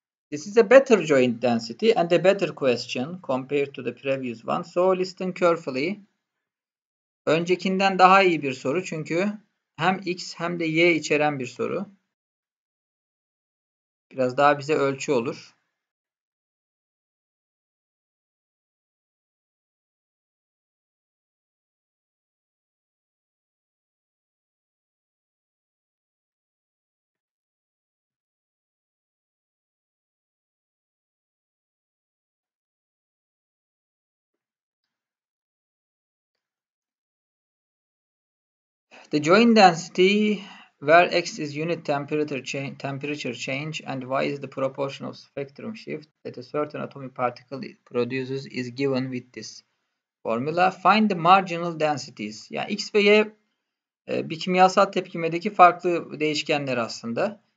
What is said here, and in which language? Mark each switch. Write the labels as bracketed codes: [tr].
[en] This is a better joint density and a better question compared to the previous one. So listen carefully. [tr] Öncekinden daha iyi bir soru çünkü hem x hem de y içeren bir soru. Biraz daha bize ölçü olur. [en] The joint density where x is unit temperature change and y is the proportion of spectrum shift that a certain atomic particle produces is given with this formula. Find the marginal densities. [tr] Yani x ve y bir kimyasal tepkimedeki farklı değişkenler aslında.